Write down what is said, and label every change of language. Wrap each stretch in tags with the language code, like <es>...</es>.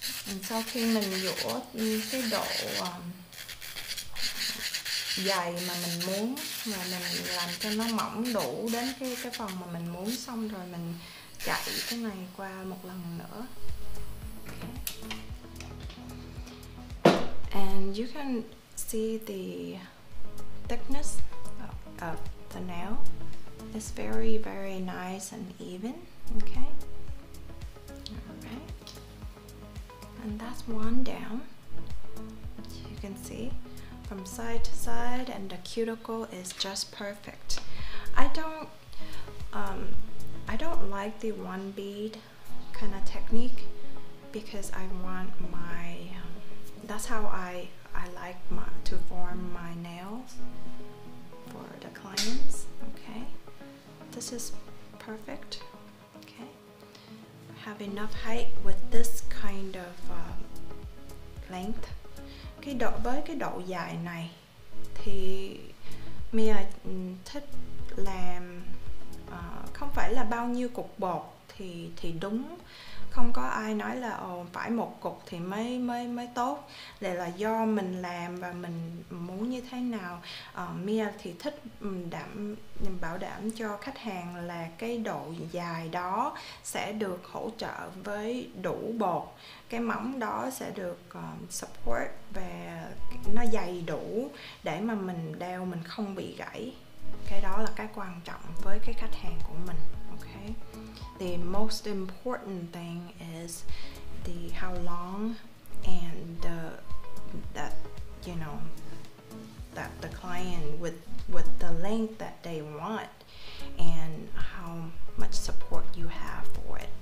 <vi>And sau khi mình dũa cái độ dày mà mình muốn và mình làm cho nó mỏng đủ đến cái phần mà mình muốn xong rồi mình chạy cái này qua một lần nữa.</vi> <en>And you can see the thickness of the nail. It's very, very nice and even. Okay. Alright. And that's one down. You can see from side to side, and the cuticle is just perfect. I don't like the one bead kind of technique because I want my that's how I like to form my nails for the clients. Okay, this is perfect. Okay, have enough height with this kind of length.</en> <vi>Với cái độ dài này thì Mia thích làm không phải là bao nhiêu cục bột thì đúng. Không có ai nói là phải một cục thì mới tốt. Đây là do mình làm và mình muốn như thế nào. Mia thì thích bảo đảm cho khách hàng là cái độ dài đó sẽ được hỗ trợ với đủ bột. Cái móng đó sẽ được support và nó dày đủ để mà mình đeo mình không bị gãy. Cái đó là cái quan trọng với cái khách hàng của mình. Okay.</vi> <en>The most important thing is the how long and that you know that the client with the length that they want and how much support you have for it.</en>